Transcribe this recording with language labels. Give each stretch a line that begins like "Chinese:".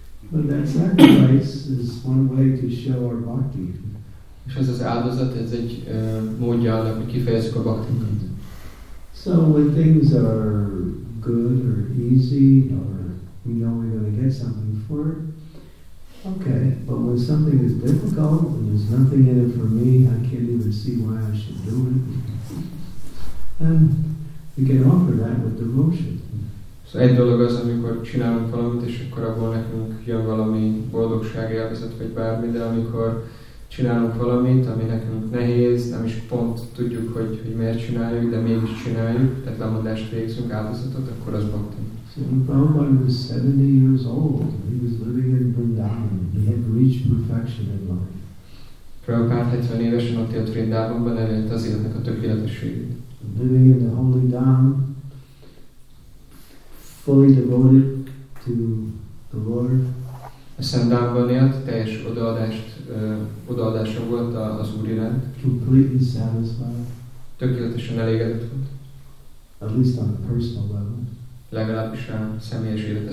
English: But that sacrifice is one way to show our bhakti.
Hungarian: És ez az áldozat, ez egy módja annak, hogy kifejezzük a bhaktinkat.
English: So when things are good or easy, or we know we're going to get something for it, Okay, but when something is difficult and there's nothing in it for me, I can't even see why I should do it. And you can offer that with devotion.
Hungarian: Szóval egy dolog az, amikor csinálunk valamit, és akkor abból nekünk jön valami boldogság élvezet, vagy bármi, de amikor csinálunk valamit, ami nekünk nehéz, nem is pont tudjuk, hogy, hogy miért csináljuk, de mégis csináljuk, tehát lemondást végzünk, áldozatot, akkor az bhakti.
English: So Prabhupada was 70 years old. He was living in Vrindavan. He had reached perfection in life.
Hungarian: Prabhupada 70 évesen ott élt Vrindavanban, elért az életnek a tökéletességét.
English: Living in the holy dham, fully devoted to the Lord.
Hungarian: A Szent Dhamban élt, teljes odaadást, odaadása volt az Úr iránt.
English: Completely satisfied.
Hungarian: Tökéletesen elégedett volt.
English: At least on a personal level.
Hungarian: Legalábbis a személyes élete